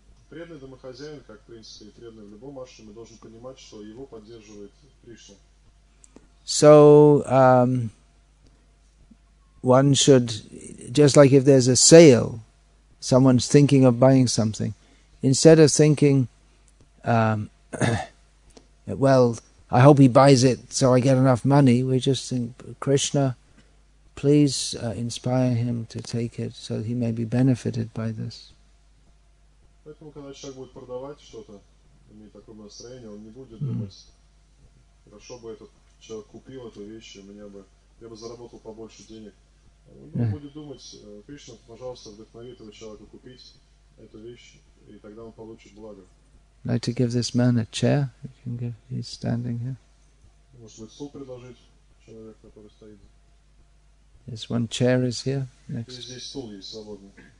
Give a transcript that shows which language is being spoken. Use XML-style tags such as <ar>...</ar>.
<ru>Преданный домохозяин, как в принципе и преданный в любом ашраме, должен понимать, что его поддерживает Кришна.</ru> <en>So, one should, just like if there's a sale, someone's thinking of buying something, instead of thinking, well, I hope he buys it so I get enough money, we just think, Krishna, please inspire him to take it so he may be benefited by this.</en> <ru>Поэтому, когда человек будет продавать что-то, имеет такое настроение, он не будет думать, хорошо бы этот человек купил эту вещь, я бы заработал побольше денег. Он будет думать, Кришна, пожалуйста, вдохнови этого человека купить эту вещь, и тогда он получит благо.</ru> <en>Like to give this man a chair? You can give, he's standing here.</en> <ru>Может быть, стул предложить человеку, который стоит?</ru> <en>This one chair is here. Next.</en> <ru>Здесь стул есть свободный.</ru>